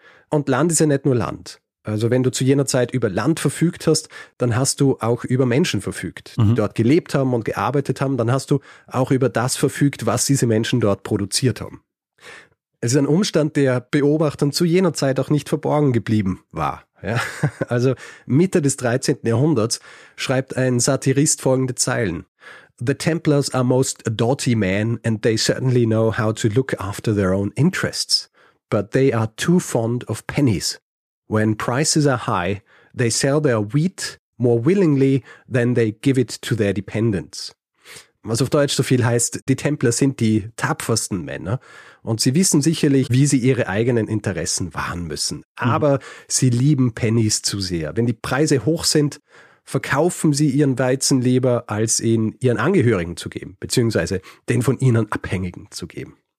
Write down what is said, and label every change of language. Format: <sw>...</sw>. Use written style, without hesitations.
<de>Und Land ist ja nicht nur Land. Also wenn du zu jener Zeit über Land verfügt hast, dann hast du auch über Menschen verfügt, die dort gelebt haben und gearbeitet haben. Dann hast du auch über das verfügt, was diese Menschen dort produziert haben. Es ist ein Umstand, der Beobachtern zu jener Zeit auch nicht verborgen geblieben war. Ja, also Mitte des 13. Jahrhunderts schreibt ein Satirist folgende Zeilen.</de> <en>The Templars are most doughty men and they certainly know how to look after their own interests. But they are too fond of pennies. When prices are high, they sell their wheat more willingly than they give it to their dependents.</en> <de>Was auf Deutsch so viel heißt, die Templer sind die tapfersten Männer und sie wissen sicherlich, wie sie ihre eigenen Interessen wahren müssen. Aber sie lieben Pennies zu sehr. Wenn die Preise hoch sind, verkaufen sie ihren Weizen lieber, als ihn ihren Angehörigen zu geben, beziehungsweise den von ihnen Abhängigen zu geben.</de>